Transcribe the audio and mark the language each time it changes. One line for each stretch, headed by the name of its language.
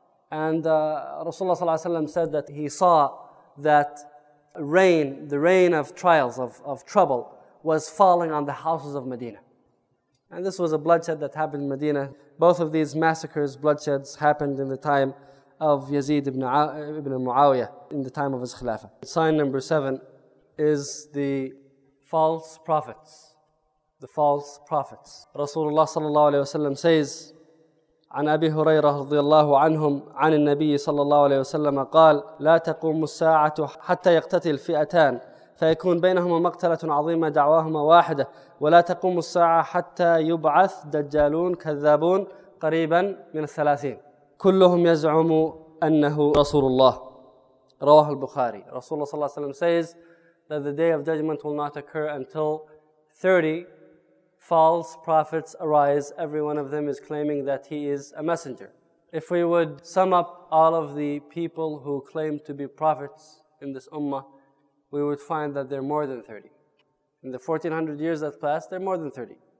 English: And Rasulullah sallallahu alayhi wa sallam said that he saw that rain, the rain of trials, of trouble, was falling on the houses of Medina. And this was a bloodshed that happened in Medina. Both of these massacres, bloodsheds, happened in the time of Yazid ibn Muawiyah, in the time of his khilafah. Sign number 7 is the false prophets. The false prophets.
Arabic: Rasulullah sallallahu alayhi wa sallam says, عن أبي هريرة رضي الله عنهم عن النبي صلى الله عليه وسلم قال لا تقوم الساعة حتى يقتتل فئتان فيكون بينهما مقتلة عظيمة دعواهما واحدة ولا تقوم الساعة حتى يبعث دجالون كذابون قريبا من 30 كلهم يزعم أنه رسول الله. رواه البخاري.
English: Rasulullah
Arabic: صلى الله عليه وسلم
English: says that the day of judgment will not occur until 30 false prophets arise. Every one of them is claiming that he is a messenger. If we would sum up all of the people who claim to be prophets in this ummah, we would find that they're more than 30. In the 1400 years that passed, they're more than 30.